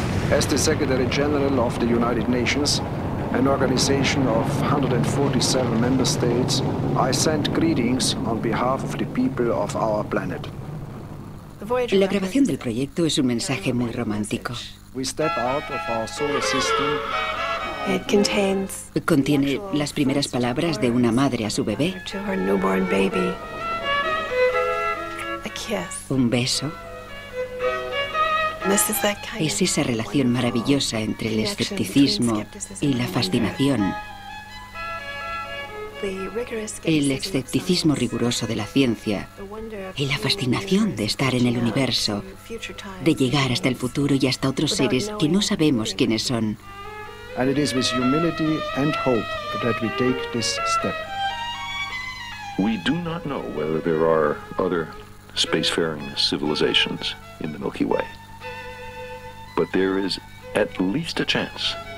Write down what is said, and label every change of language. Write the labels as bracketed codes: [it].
[en] As the Secretary General of the United Nations, an organization of 147 member states, I send greetings on behalf of the people of our planet. [es] La grabación del proyecto es un mensaje muy romántico. [en] We step out of our solar system. It contains. [es] Contiene las primeras palabras de una madre a su bebé. [en] To her newborn baby. A kiss. [es] Un beso. Es esa relación maravillosa entre el escepticismo y la fascinación. El escepticismo riguroso de la ciencia y la fascinación de estar en el universo, de llegar hasta el futuro y hasta otros seres que no sabemos quiénes son. [en] And it is with humility and hope that we take this step. We do not know whether there are other spacefaring civilizations in the Milky Way. But there is at least a chance